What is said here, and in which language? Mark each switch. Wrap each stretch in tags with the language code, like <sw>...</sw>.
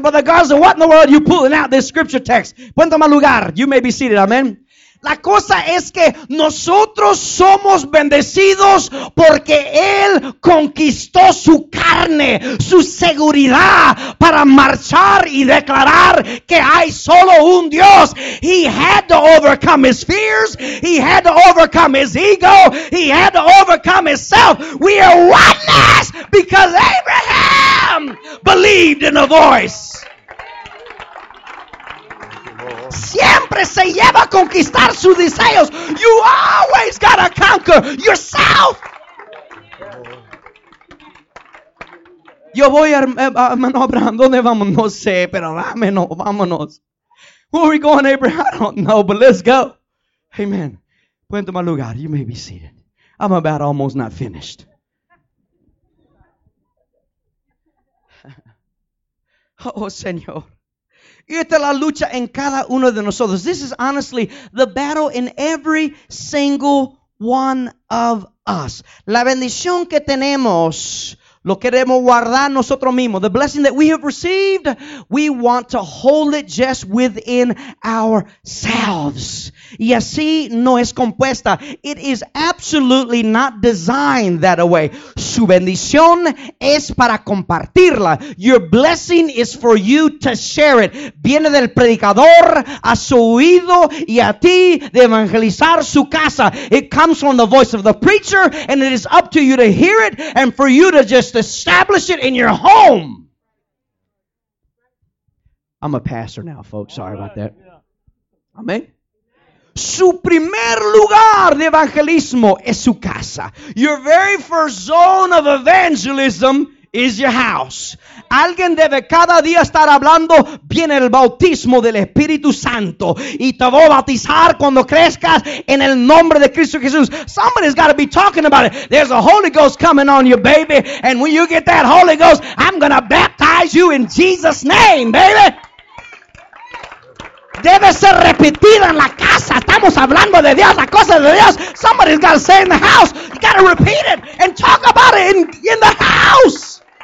<en>Brother Garza, what in the world are you pulling out this scripture text?</en> <es>Ponte más lugar.</es> <en>You may be seated, amen.</en> <es>La cosa es que nosotros somos bendecidos porque Él conquistó su carne, su seguridad para marchar y declarar que hay solo un Dios.</es> <en>He had to overcome his fears. He had to overcome his ego. He had to overcome himself. We are witness because Abraham believed in a voice.</en> <es>Siempre se lleva a conquistar sus deseos.</es> <en>You always gotta conquer yourself.</en> <es>Yo voy a hermano Abraham. ¿Dónde vamos? No sé, pero vámonos, vámonos.</es> <en>Where are we going, Abraham? I don't know, but let's go. Amen.</en> <es>Puente mal lugar.</es> <en>You may be seated. I'm about almost not finished.</en> <es>Oh, Señor. Esta es la lucha en cada uno de nosotros.</es> <en>This is honestly the battle in every single one of us.</en> <es>La bendición que tenemos, lo queremos guardar nosotros mismos.</es> <en>The blessing that we have received, we want to hold it just within ourselves.</en> <es>Y así no es compuesta.</es> <en>It is absolutely not designed that way.</en> <es>Su bendición es para compartirla.</es> <en>Your blessing is for you to share it.</en> <es>Viene del predicador a su oído y a ti de evangelizar su casa.</es> <en>It comes from the voice of the preacher, and it is up to you to hear it and for you to just establish it in your home. I'm a pastor now, folks. Sorry about that. Amen.</en> <es>Su primer lugar de evangelismo es su casa.</es> <en>Your very first zone of evangelism is your house.</en> <es>Alguien debe cada día estar hablando, viene el bautismo del Espíritu Santo y te voy a bautizar cuando crezcas en el nombre de Cristo Jesús.</es> <en>Somebody's got to be talking about it. There's a Holy Ghost coming on you, baby. And when you get that Holy Ghost, I'm going to baptize you in Jesus' name, baby.</en> <es>Debe ser repetida en la casa. Estamos hablando de Dios, la cosa de Dios.</es> <en>Somebody's got to say in the house. You got to repeat it and talk about it in the house.</en>